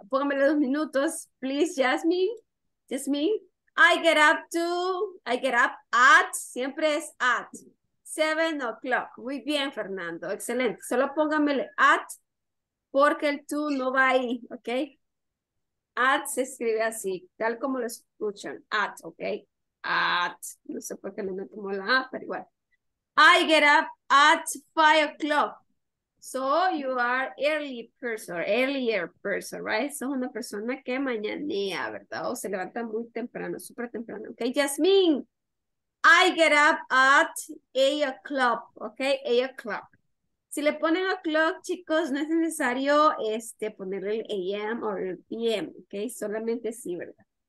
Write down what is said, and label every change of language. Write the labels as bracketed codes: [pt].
[es] Póngamelo 2 minutos, please, Jasmine, [en] I get up at, [es] siempre es at, 7 o'clock, muy bien, Fernando, excelente, solo póngamele at, porque el tú no va ahí, ¿ok? At se escribe así, tal como lo escuchan. At, ¿ok? At. No sé por qué no me tomó la A, pero igual. [en] I get up at 5 o'clock. So you are early person, earlier person, right? [es] Sos una persona que mañanea, ¿verdad? O se levanta muy temprano, súper temprano. [en] Okay, Jasmine, I get up at 8 o'clock, okay? 8 o'clock. [es] Si le ponen o'clock, chicos, no es necesario ponerle el a.m. o el p.m., okay? Solamente sí, ¿verdad?